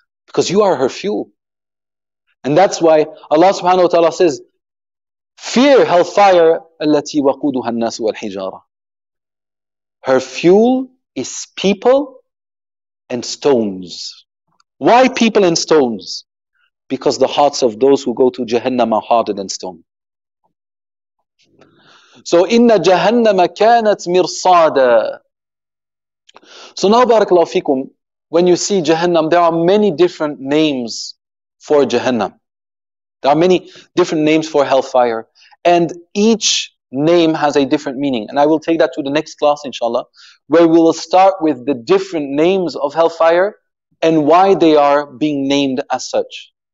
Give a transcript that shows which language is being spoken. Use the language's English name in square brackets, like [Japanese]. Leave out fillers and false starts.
[English] Because you are her fuel. And that's why Allah subhanahu wa ta'ala says, fear hellfire [Arabic] التي وقودها الناس والحجارة. [English] Her fuel is people and stones. Why people and stones? Because the hearts of those who go to Jahannam are harder than stone. So [Arabic] إِنَّ جَهَنَّمَ كَانَتْ مِرْصَادًا. [English] So now barakallahu fikum, when you see Jahannam, there are many different names for Jahannam. There are many different names for hellfire, and each name has a different meaning. And I will take that to the next class, inshallah, where we will start with the different names of hellfire and why they are being named as such.